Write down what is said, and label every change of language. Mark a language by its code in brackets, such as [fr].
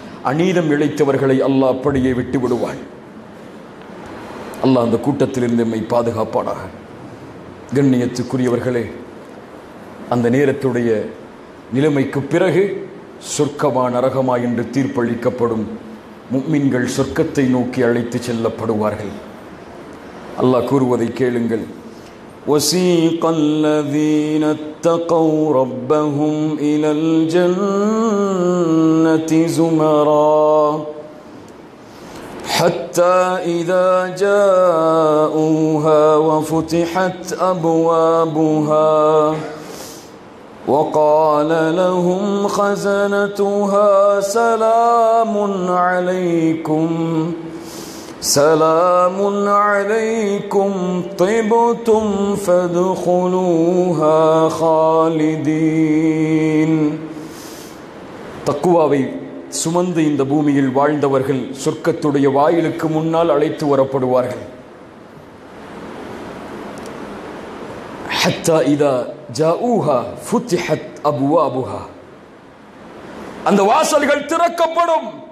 [ta] அநீதம் இழைத்தவர்களை அல்லாஹ் அப்படியே விட்டு விடுவான். அல்லாஹ் அந்த கூட்டத்திலிருந்து எம்மை பாதுகாப்பானாக. கண்ணியத்துக்குரியவர்களே, அந்த நேரத்துடைய நிலைமைக்கு பிறகு சொர்க்கமா நரகமா என்று தீர்ப்பளிக்கப்படும். முஃமின்கள் சொர்க்கத்தை நோக்கி அழைத்து செல்லப்படுவார்கள். அல்லாஹ் கூறுவதை கேளுங்கள். [ar] وسيق الذين اتقوا ربهم إلى الجنة زمرا حتى إذا جاءوها وفتحت أبوابها وقال لهم خزنتها سلام عليكم سلام عليكم طبتم فادخلوها خالدين. [ta] தக்குவாவை சுமந்து இந்த பூமியில் வாழ்ந்தவர்கள் சொர்க்கத்துடைய வாயிலுக்கு முன்னால் அழைத்து வரப்படுவார்கள். [ar] ஹத்தா இதா ஜாஊஹா ஃபுதிஹத் அப்வாபுஹா, [ta] அந்த வாசல்கள் திறக்கப்படும்.